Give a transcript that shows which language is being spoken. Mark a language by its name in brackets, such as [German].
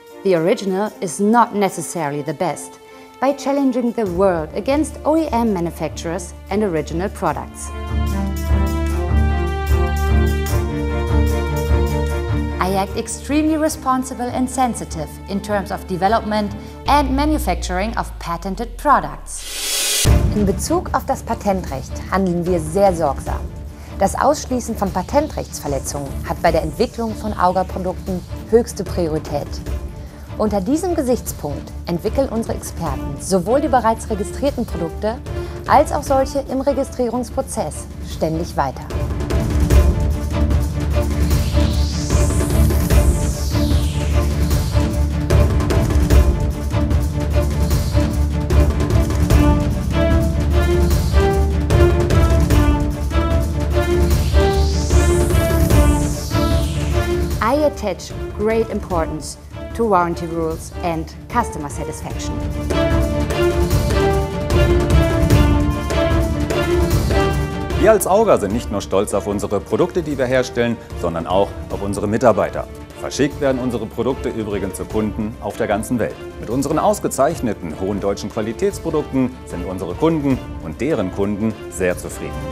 [English] The original is not necessarily the best by challenging the world against OEM manufacturers and original products. I act extremely responsible and sensitive in terms of development and manufacturing of patented products. [German] In Bezug auf das Patentrecht handeln wir sehr sorgsam. Das Ausschließen von Patentrechtsverletzungen hat bei der Entwicklung von Auger-Produkten höchste Priorität. Unter diesem Gesichtspunkt entwickeln unsere Experten sowohl die bereits registrierten Produkte als auch solche im Registrierungsprozess ständig weiter. [English] Attach great importance to warranty rules and customer satisfaction. [German] Wir als Auger sind nicht nur stolz auf unsere Produkte, die wir herstellen, sondern auch auf unsere Mitarbeiter. Verschickt werden unsere Produkte übrigens zu Kunden auf der ganzen Welt. Mit unseren ausgezeichneten hohen deutschen Qualitätsprodukten sind unsere Kunden und deren Kunden sehr zufrieden.